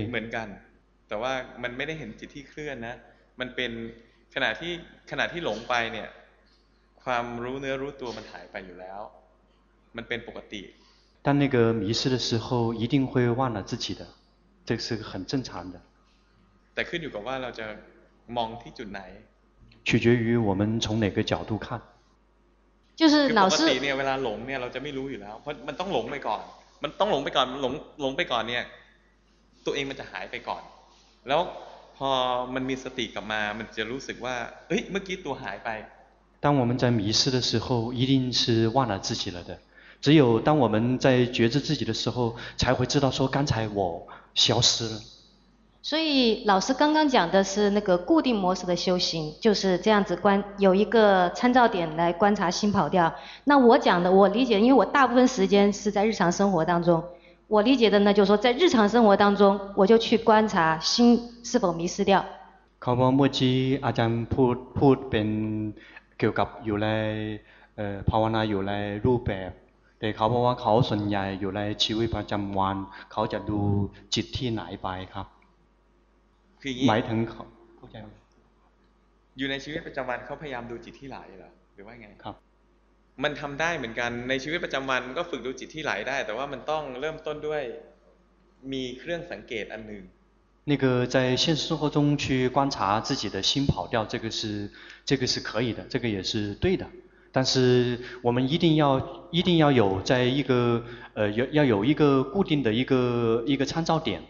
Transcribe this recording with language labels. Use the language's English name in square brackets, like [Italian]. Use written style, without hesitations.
[Thai] เหมือนกันแต่ว่ามันไม่ได้เห็นจิตที่เคลื่อนนะมันเป็นขณะที่หลงไปเนี่ยความรู้เนื้อรู้ตัวมันหายไปอยู่แล้วมันเป็นปกติ [Chinese] 但那个迷失的时候一定会忘了自己的这是很正常的 [Thai] แต่ขึ้นอยู่กับว่าเราจะมองที่จุดไหน [Chinese] 取决于我们从哪个角度看就是老师 [Thai] ปกติเนี่ยเวลาหลงเนี่ยเราจะไม่รู้อยู่แล้วเพราะมันต้องหลงไปก่อนมันต้องหลงไปก่อนหลงไปก่อนเนี่ยตัวเองมันจะหายไปก่อนแล้วพอมันมีสติกลับมามันจะรู้สึกว่าเฮ้ยเมื่อกี้ตัวหายไป [Chinese] 当我们在迷失的时候一定是忘了自己了的只有当我们在觉知自己的时候才会知道说刚才我消失了所以老师刚刚讲的是那个固定模式的修行就是这样子有一个参照点来观察心跑掉那我讲的我理解因为我大部分时间是在日常生活当中我理解的呢就是说在日常生活当中我就去观察心是否迷失掉 [Thai] เขาบอกเมื่อกี้อาจารย์พูดเป็นเกี่ยวกับอยู่ในภาวนาอยู่ในรูปแบบแต่เขาบอกว่าเขาส่วนใหญ่อยู่ในชีวิตประจำวันเขาจะดูจิตที่ไหนไปครับ คืออย่าง นี้หมายถึงเขา เข้าใจอยู่ในชีวิตประจำวันเขาพยายามดูจิตที่ไหลเหรอหรือว่าไง ครับ มันทำได้เหมือนกันในชีวิตประจำวันก็ฝึกดูจิตที่ไหลได้แต่ว่ามันต้องเริ่มต้นด้วยมีเครื่องสังเกตอันหนึ่ง [Chinese] 那个在现实生活中去观察自己的心跑掉，这个是可以的，这个也是对的。但是我们一定要有在一个要有一个固定的一个参照点。